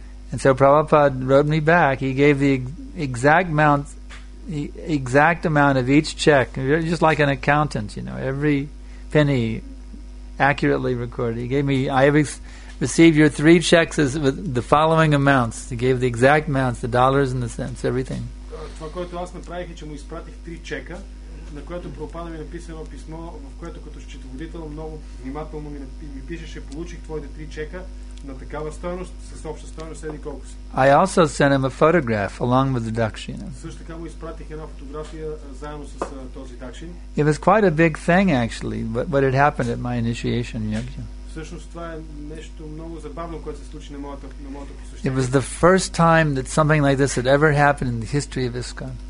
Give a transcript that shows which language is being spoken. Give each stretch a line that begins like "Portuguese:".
English: And so Prabhupada wrote me back. He gave the exact amount of each check. You're just like an accountant, you know. Every penny accurately recorded. He gave me, I have received your three checks as with the following amounts. He gave the exact amounts, the dollars and the cents, everything.
Bulgarian: Това, което аз направих, е, че му изпратих три чека, на което Прабхупада ми написано писмо, в което като счетоводител много внимателно ми пишеше, получих твоите три чека на такава стойност, с обща стойност, еди колко си.
English: I also sent him a photograph along with the dakshina.
Bulgarian: Също така му изпратих една фотография заедно с този дакшин.
English: It was quite a big thing actually, what had happened at my initiation yagya.
Bulgarian: Всъщност това е нещо много забавно, което се случи на моето посещение.
English: It was the first time that something like this had ever happened in the history of ISKCON.